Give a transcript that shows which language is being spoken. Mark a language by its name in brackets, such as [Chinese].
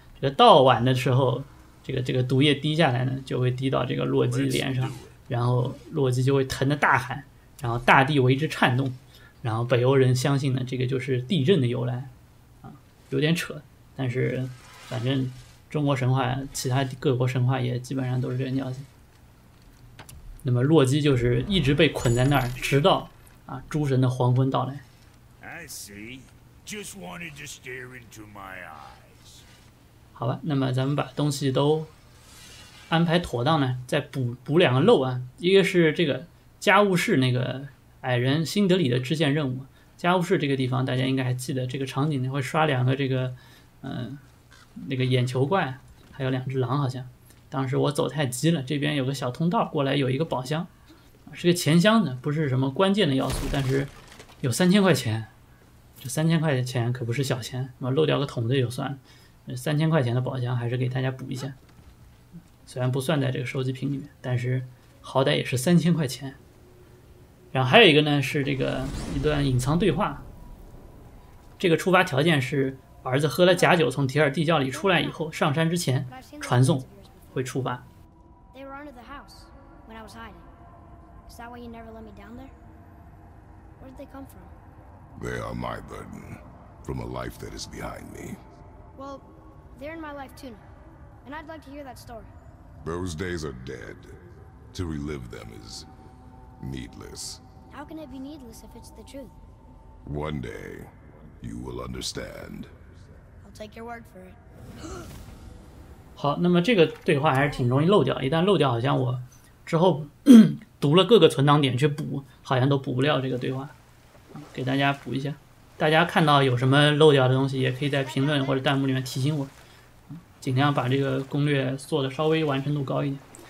[Chinese] 这个倒碗的时候，这个毒液滴下来呢，就会滴到这个洛基脸上，然后洛基就会疼得大喊，然后大地为之颤动，然后北欧人相信呢，这个就是地震的由来，啊，有点扯，但是反正中国神话，其他各国神话也基本上都是这个尿性。那么洛基就是一直被捆在那儿，直到啊诸神的黄昏到来。 [English] I see. Just wanted to stare into my eye. [Chinese] 好吧，那么咱们把东西都安排妥当呢，再补两个漏啊。一个是这个家务室那个矮人辛德里的支线任务，家务室这个地方大家应该还记得，这个场景会刷两个这个那个眼球怪，还有两只狼。好像当时我走太急了，这边有个小通道过来，有一个宝箱，是个钱箱子，不是什么关键的要素，但是有3000块钱，这3000块钱可不是小钱，我漏掉个桶子就算了，3000块钱的宝箱还是给大家补一下，虽然不算在这个收集品里面，但是好歹也是3000块钱。然后还有一个呢，是这个一段隐藏对话，这个触发条件是儿子喝了假酒从提尔地窖里出来以后，上山之前传送会触发。 [English] They were under the house when I was hiding. Is that why you never let me down there? Where did they come from? They are my burden from a life that is behind me. Well, they're in my life too now, and I'd like to hear that story. Those days are dead. To relive them is needless. How can it be needless if it's the truth? One day, you will understand. I'll take your word for it. [Chinese] 好，那么这个对话还是挺容易漏掉，一旦漏掉，好像我之后读了各个存档点去补，好像都补不了这个对话。给大家补一下。大家看到有什么漏掉的东西也可以在评论或者弹幕里面提醒我，尽量把这个攻略做的稍微完成度高一点。